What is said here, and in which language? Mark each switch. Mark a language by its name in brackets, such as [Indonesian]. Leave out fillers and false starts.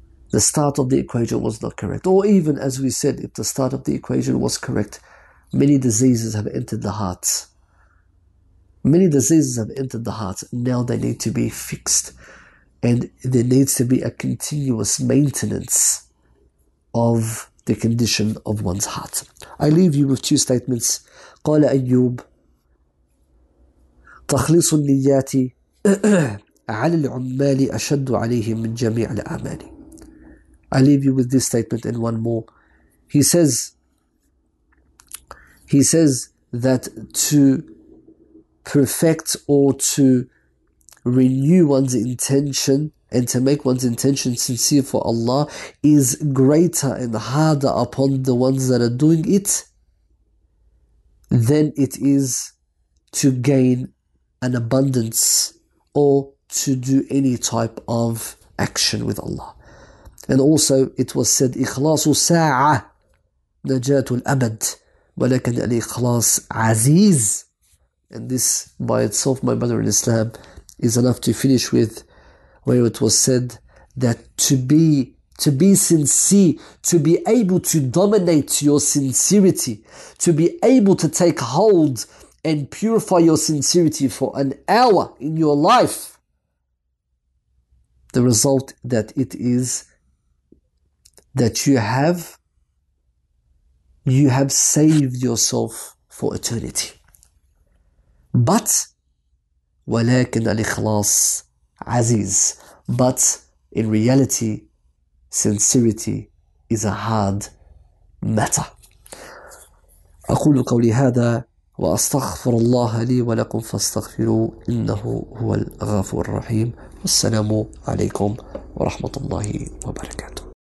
[English] The start of the equation was not correct. Or even as we said, if the start of the equation was correct, many diseases have entered the hearts. Many diseases have entered the hearts. Now they need to be fixed. And there needs to be a continuous maintenance of the condition of one's heart. I leave you with two statements. [Arabic] قال أيوب تخلص النيات على العمال أشد عليهم من جميع الأعمال. [English] I leave you with this statement and one more. He says that to perfect or to renew one's intention and to make one's intention sincere for Allah is greater and harder upon the ones that are doing it than it is to gain an abundance or to do any type of action with Allah. And also it was said, [Arabic] إخلاص ساعة نجاة الأبد ولكن الإخلاص عزيز. [English] And this by itself, my brother in Islam, is enough to finish with, where it was said that to be sincere, to be able to dominate your sincerity, to be able to take hold and purify your sincerity for an hour in your life, the result that it is that you have You have saved yourself for eternity. But, [Arabic] ولكن الإخلاص عزيز. [English] But in reality, sincerity is a hard matter. [Arabic] أقول قولي هذا وأستغفر الله لي ولكم فاستغفروا إنه هو الغفور الرحيم. والسلام عليكم ورحمة الله وبركاته.